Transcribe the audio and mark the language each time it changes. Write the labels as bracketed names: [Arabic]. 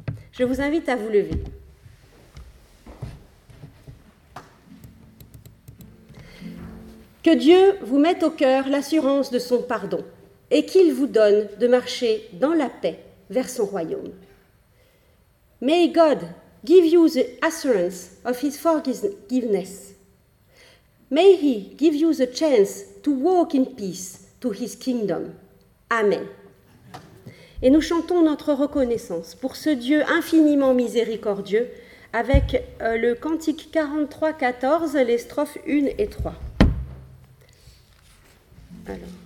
[French] Je vous invite à vous lever. Que Dieu vous mette au cœur l'assurance de son pardon et qu'il vous donne de marcher dans la paix vers son royaume. [English] May God give you the assurance of his forgiveness. May he give you the chance to walk in peace to his kingdom. Amen. [French] Et nous chantons notre reconnaissance pour ce Dieu infiniment miséricordieux avec le cantique 43-14, les strophes 1 et 3. Alors.